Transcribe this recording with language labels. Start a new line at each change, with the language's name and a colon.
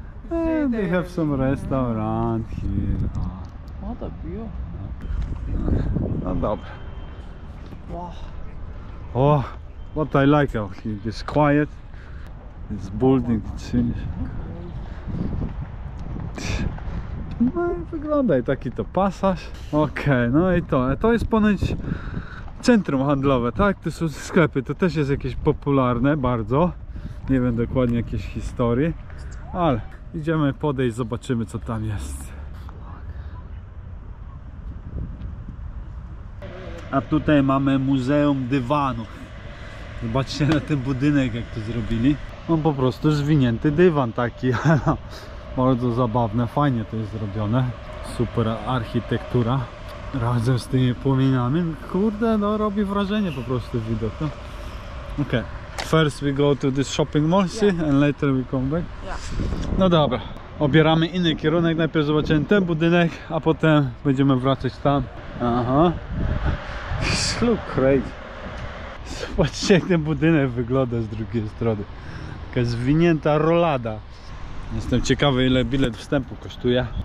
English: And they have some restaurant here. What a view.
Polish: No dobra.
English: Wow. Oh, what I like out here, this quiet. This building, it's finished.
Polish: No i wygląda i taki to pasaż. Okej, okay, no i to. To jest ponoć centrum handlowe, tak? To są sklepy, to też jest jakieś popularne bardzo. Nie wiem dokładnie jakieś historii. Ale idziemy podejść, zobaczymy co tam jest. A tutaj mamy Muzeum Dywanów. Zobaczcie na ten budynek jak to zrobili. On po prostu zwinięty dywan taki. Bardzo zabawne, fajnie to jest zrobione. Super architektura razem z tymi płominami. Kurde, no robi wrażenie po prostu widok. No. Okay.
English: First we go to this shopping mall, see? Yeah. And later we come back. Yeah.
Polish: No dobra. Obieramy inny kierunek. Najpierw zobaczymy ten budynek, a potem będziemy wracać tam. Aha.
English: This look crazy.
Polish: Zobaczcie, jak ten budynek wygląda z drugiej strony. Taka zwinięta rolada. Jestem ciekawy, ile bilet wstępu kosztuje.